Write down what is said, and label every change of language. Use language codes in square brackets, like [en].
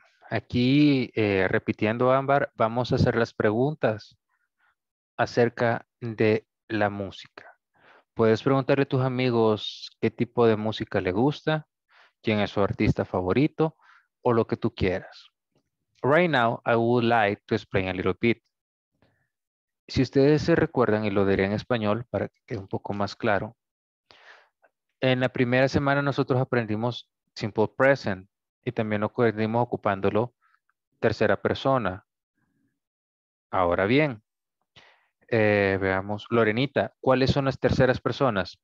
[es] Aquí, repitiendo Ámbar, vamos a hacer las preguntas acerca de la música. Puedes preguntarle a tus amigos qué tipo de música le gusta, quién es su artista favorito o lo que tú quieras. [en] Right now, I would like to explain a little bit. [es] Si ustedes se recuerdan, y lo diré en español para que quede un poco más claro. En la primera semana nosotros aprendimos simple present y también lo aprendimos ocupándolo tercera persona. Ahora bien, veamos, Lorenita, ¿cuáles son las terceras personas?